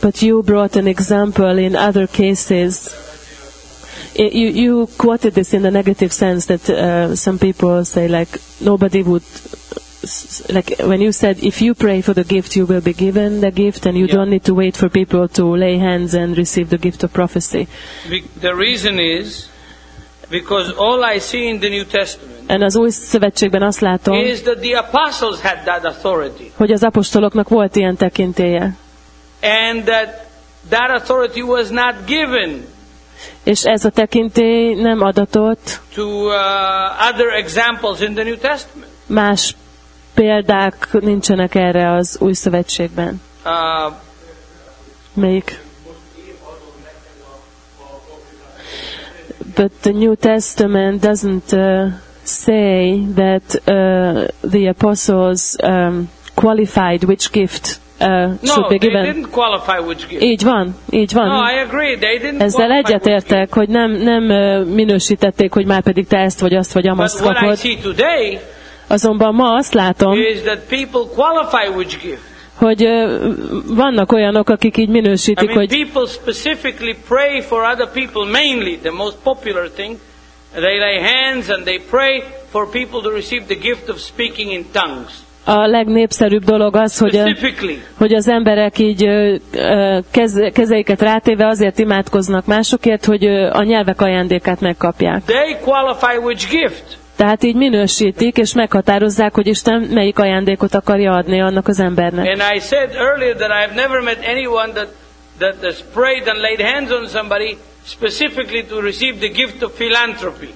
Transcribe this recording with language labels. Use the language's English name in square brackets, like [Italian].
[English] But you brought an example in other cases. You quoted this in the negative sense that some people say like nobody would, like when you said if you pray for the gift you will be given the gift and you don't need to wait for people to lay hands and receive the gift of prophecy. The reason is because all I see in the New Testament, [Hungarian] and az Új Szövetségben azt látom, [English] is that the apostles had that authority. [Hungarian] Hogy az apostoloknak volt ilyen tekintélye. [English] And that authority was not given. [Hungarian] És ez a tekintély nem adatott [English] to other examples in the New Testament. [Hungarian] Más példák nincsenek erre az Új Szövetségben. Melyik? [English] But the New Testament doesn't say that the apostles qualified which gift should be given. No, they didn't qualify which gift. [Hungarian] Így van. [English] No, I agree. They didn't. [Hungarian] Ezzel egyetértek, hogy nem minősítették, hogy már pedig te ezt vagy azt vagy amazt kapod. [English] But what I see today, [Hungarian] azonban ma azt látom, [English] is that people qualify which gift. [Hungarian] Hogy vannak olyanok, akik így minősítik, [English] I mean, [Hungarian] hogy [English] people specifically pray for other people, mainly the most popular thing. They lay hands and they pray for people to receive the gift of speaking in tongues. [Hungarian] A legnépszerűbb dolog az, hogy az emberek így kezeiket rátéve azért imádkoznak másokért, hogy a nyelvek ajándékát megkapják. [English] They qualify which gift. [Hungarian] Tehát így minősítik és meghatározzák, hogy Isten melyik ajándékot akarja adni annak az embernek. [English] And I said earlier that I've never met anyone that has prayed and laid hands on somebody specifically to receive the gift of philanthropy.